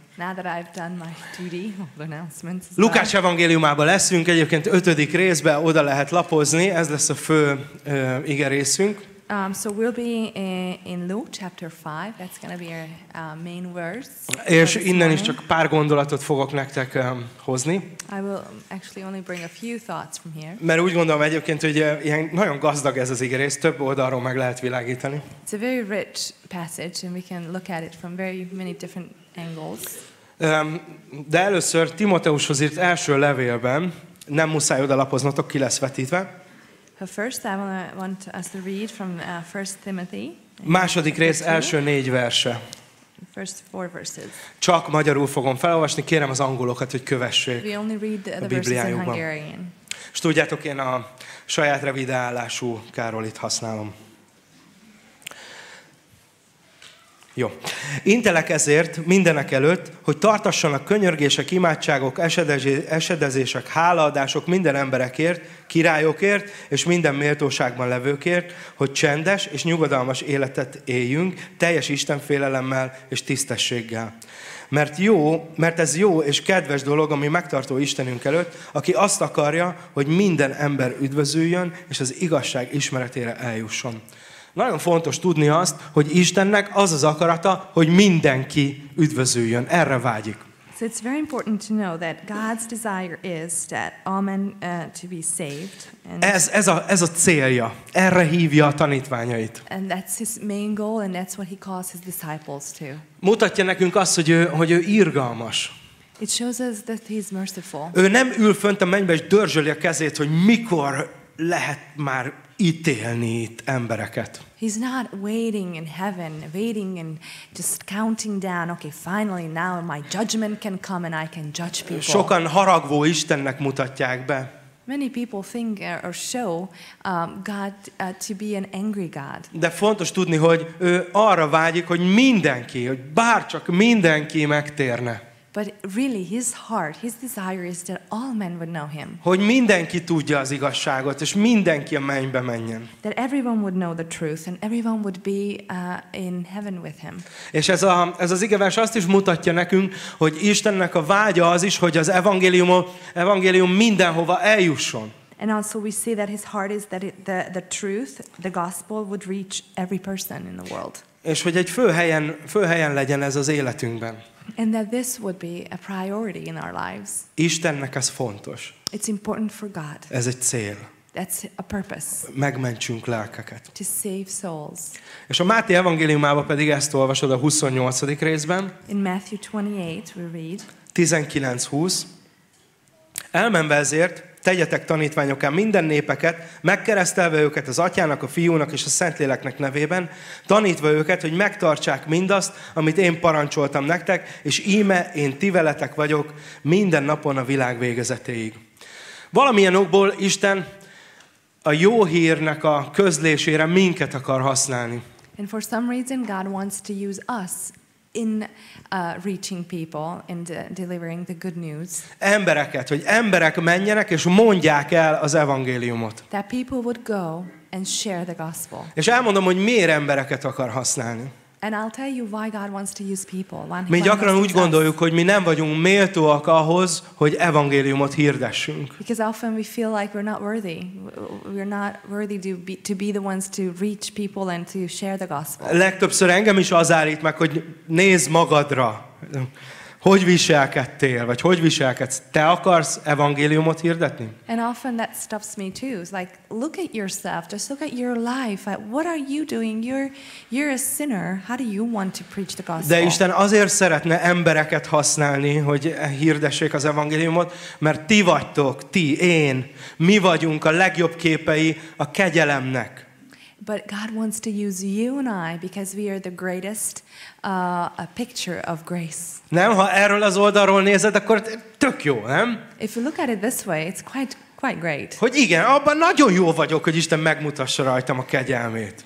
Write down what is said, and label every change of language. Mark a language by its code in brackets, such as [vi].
[en] now that I've done my duty of announcements. [hu] Lukács evangéliumában leszünk, egyébként 5. részben oda lehet lapozni, ez lesz a fő ige részünk. [en] So we'll be in Luke chapter 5. That's going to be our main verse. [hu] És innen is csak pár gondolatot fogok nektek hozni. [en] I will actually only bring a few thoughts from here. [hu] Mert úgy gondolom egyébként, hogy ilyen nagyon gazdag ez az igerész, több oldalról meg lehet világítani. [en] It's a very rich passage and we can look at it from very many different angles. [hu] De először Timoteushoz írt első levélben, nem muszáj oda lapoznotok, ki lesz vetítve. [en] First, I want us to read from 1 Timothy. [hu] Második rész első 4 verse. [en] First 4 verses. [hu] Csak magyarul fogom felolvasni, kérem az angolokat, hogy kövessék. [en] We only read the verses in Hungarian. [hu] S tudjátok, én a saját revideállású Károlit használom. Jó. Intelek ezért mindenek előtt, hogy tartassanak könyörgések, imádságok, esedezések, hálaadások minden emberekért, királyokért és minden méltóságban levőkért, hogy csendes és nyugodalmas életet éljünk teljes istenfélelemmel és tisztességgel. Mert ez jó és kedves dolog, ami megtartó Istenünk előtt, aki azt akarja, hogy minden ember üdvözüljön és az igazság ismeretére eljusson. Nagyon fontos tudni azt, hogy Istennek az az akarata, hogy mindenki üdvözüljön. Erre vágyik. [en] So it's very important to know that God's desire is that all men to be saved. And [hu] ez a célja. Erre hívja a tanítványait. [en] And that's his main goal, and that's what he calls his disciples to. [hu] Mutatja nekünk azt, hogy ő irgalmas. [en] It shows us that he's merciful. [hu] Ő nem ül fönt a mennybe és dörzsöli a kezét, hogy mikor lehet már ítélni itt embereket. [en] He's not waiting in heaven, waiting and just counting down. Okay, finally now my judgment can come and I can judge people. [hu] Sokan haragvó Istennek mutatják be. [en] Many people think or show God to be an angry God. [hu] De fontos tudni, hogy ő arra vágyik, hogy mindenki, hogy bárcsak mindenki megtérne. [en] But really his heart, his desire is that all men would know him. [hu] Hogy mindenki tudja az igazságot, és mindenki a mennybe menjen. [en] That everyone would know the truth and everyone would be in heaven with him. [hu] És ez az igevers azt is mutatja nekünk, hogy Istennek a vágya az is, hogy az evangélium mindenhova eljusson. [en] And also we see that his heart is that the truth, the gospel would reach every person in the world. [hu] És hogy egy fő helyen legyen ez az életünkben. [en] And that this would be a priority in our lives. [hu] Istennek ez fontos. [en] It's important for God. [hu] Ez egy cél. [en] That's a purpose. [hu] Megmentsünk lelkeket. [en] To save souls. [hu] És a Máté evangéliumában pedig ezt olvasod a 28. részben. [en] In Matthew 28 we read. 19-20. [hu] Elmenve ezért, tegyetek tanítványokká minden népeket, megkeresztelve őket az Atyának, a Fiúnak és a Szentléleknek nevében, tanítva őket, hogy megtartsák mindazt, amit én parancsoltam nektek, és íme én ti veletek vagyok minden napon a világ végezetéig. Valamilyen okból Isten a jó hírnek a közlésére minket akar használni. [en] And for some reason God wants to use us in reaching people and delivering the good news. [hu] Embereket, hogy emberek menjenek és mondják el az evangéliumot. [en] That people would go and share the gospel. [hu] És elmondom, hogy miért embereket akar használni. [en] And I'll tell you why God wants to use people. [hu] Mi gyakran úgy gondoljuk, hogy mi nem vagyunk méltóak ahhoz, hogy evangéliumot hirdessünk. [en] Because often we feel like we're not worthy. We're not worthy to be the ones to reach people and to share the gospel. [hu] Legtöbbször engem is az állít meg, hogy nézd magadra. hogy viselkedtél, vagy hogy viselkedsz? Te akarsz evangéliumot hirdetni? [en] And often that stops me too. It's like, look at yourself, just look at your life. What are you doing? You're a sinner. How do you want to preach the gospel? [hu] De Isten azért szeretne embereket használni, hogy hirdessék az evangéliumot, mert ti vagytok, ti, én, mi vagyunk a legjobb képei a kegyelemnek. [en] But God wants to use you and I because we are the greatest a picture of grace. [hu] Nem, ha erről az oldalról nézed, akkor tök jó, nem? [en] If you look at it this way, it's quite great. [hu] Hogy igen, abban nagyon jó vagyok, hogy Isten megmutassa rajtam a kegyelmét.